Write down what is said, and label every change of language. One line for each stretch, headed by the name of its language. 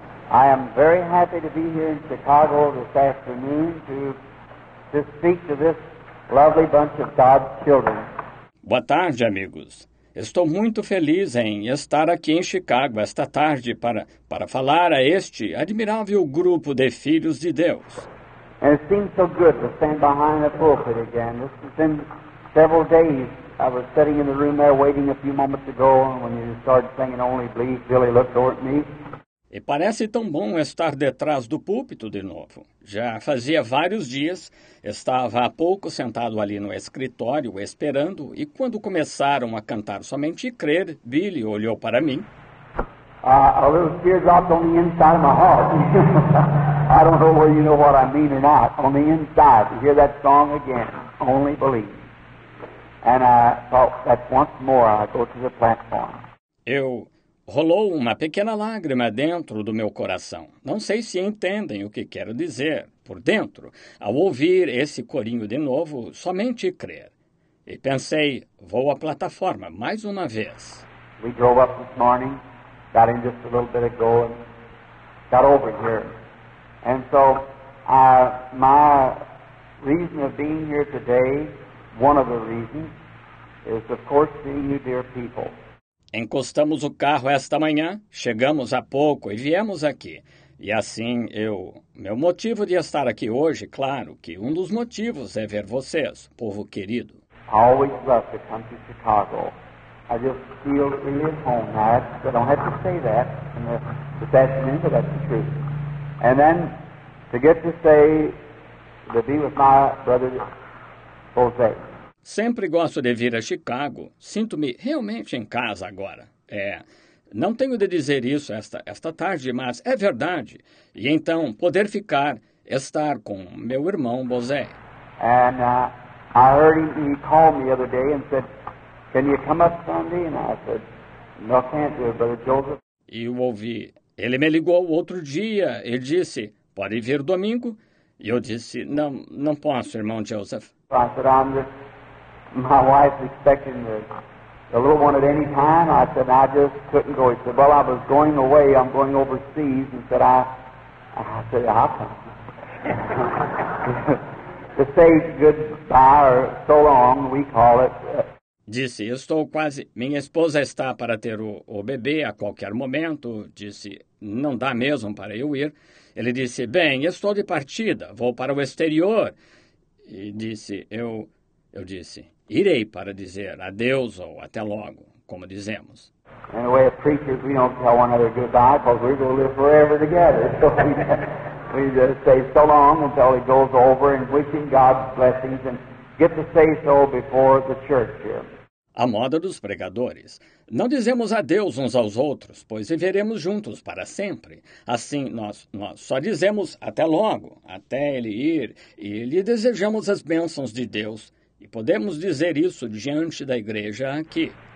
English: I am very happy to be here in Chicago this afternoon to speak to this lovely bunch of God's children.
Portuguese: Boa tarde, amigos. Estou muito feliz em estar aqui em Chicago esta tarde para falar a este admirável grupo de filhos de Deus.
English: And it seems so good to stand behind the pulpit again. This has been several days. I was sitting in the room there waiting a few moments ago when you started singing Only Believe. Billy looked over at me.
Portuguese: E parece tão bom estar detrás do púlpito de novo. Já fazia vários dias, estava há pouco sentado ali no escritório esperando, e quando começaram a cantar Somente Crer, Billy olhou para mim.
English: A little tear dropped on the inside of my heart. I don't know whether you know what I mean or not. On the inside, to hear that song again, Only Believe. And I thought that once more I go to the platform.
Portuguese: Eu rolou uma pequena lágrima dentro do meu coração. Não sei se entendem o que quero dizer por dentro ao ouvir esse corinho de novo, Somente Crer. E pensei, vou à plataforma mais uma vez.
English: We drove up this morning, got in just a little bit ago and got over here. And so my reason of being here today, one of the reasons, is of course seeing you dear people.
Portuguese: Encostamos o carro esta manhã, chegamos há pouco e viemos aqui. E assim, meu motivo de estar aqui hoje, claro, que um dos motivos é ver vocês, povo querido.
English: I always love to come to Chicago. I just feel really at home now. I don't have to say that. But that's an answer, that's the truth. And then, to get to say, to be with my brother, Jose.
Portuguese: Sempre gosto de vir a Chicago. Sinto-me realmente em casa agora. É, não tenho de dizer isso esta tarde, mas é verdade. E então, poder estar com meu irmão, Bozé.
English: And I heard he called me the other day and said, can you come up Sunday? And I said, no, can't do it, Brother Joseph.
Portuguese: E o ouvi. Ele me ligou outro dia e disse, pode vir domingo? E eu disse, não, não posso, irmão Joseph.
English: I said, I'm just... My wife expecting the little one at any time. I said, I just couldn't go. He said, well, I was going away. I'm going overseas. And said, I said, I'll come. To say goodbye or so long, we call it.
Portuguese: Disse, estou quase... Minha esposa está para ter o bebê a qualquer momento. Disse, não dá mesmo para eu ir. Ele disse, bem, estou de partida. Vou para o exterior. E disse, eu disse... Irei para dizer adeus ou até logo, como dizemos.
English: In a way of preachers, we don't tell one another goodbye because we're going to live forever together. So we just say so long until it goes over and wishing God's blessings and get to say so before the church here.
Portuguese: A moda dos pregadores. Não dizemos adeus uns aos outros, pois viveremos juntos para sempre. Assim, nós só dizemos até logo, até ele ir, e lhe desejamos as bênçãos de Deus. E podemos dizer isso diante da igreja aqui.